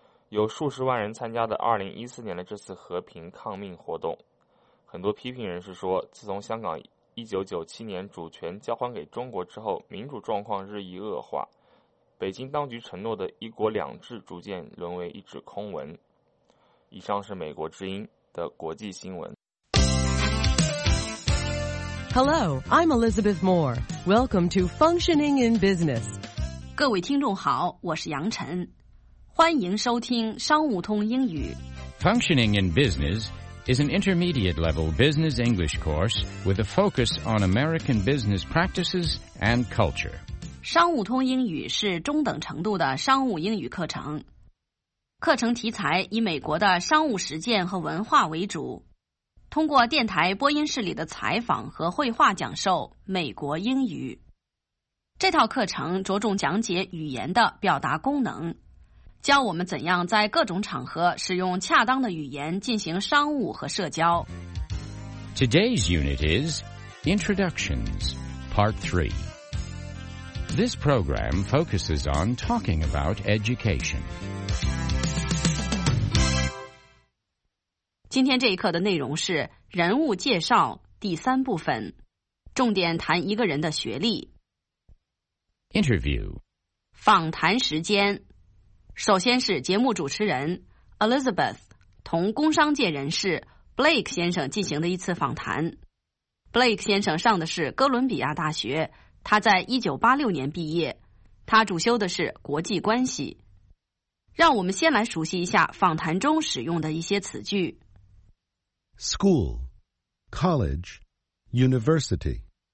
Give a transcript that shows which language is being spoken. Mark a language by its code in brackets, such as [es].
[zh] 有数十万人参加的2014年的这次和平抗命活动，很多批评人士说，自从香港1997年主权交还给中国之后，民主状况日益恶化，北京当局承诺的一国两制逐渐沦为一纸空文。以上是美国之音的国际新闻。 [en] Hello, I'm Elizabeth Moore. Welcome to Functioning in Business. [zh] 各位听众好，我是杨晨。欢迎收听商务通英语。 [en] Functioning in Business is an intermediate-level business English course with a focus on American business practices and culture. [zh] 商务通英语是中等程度的商务英语课程。课程题材以美国的商务实践和文化为主，通过电台播音室里的采访和绘画讲授美国英语。这套课程着重讲解语言的表达功能，教我们怎样在各种场合使用恰当的语言进行商务和社交。 [en] Today's unit is Introductions, Part 3. This program focuses on talking about education. [zh] 今天这一课的内容是人物介绍第三部分，重点谈一个人的学历。 [en] Interview. [zh] 访谈时间，首先是节目主持人 Elizabeth 同工商界人士 Blake 先生进行的一次访谈。 Blake 先生上的是哥伦比亚大学，他在1986年毕业，他主修的是国际关系。让我们先来熟悉一下访谈中使用的一些词句。 [en] School, College, University.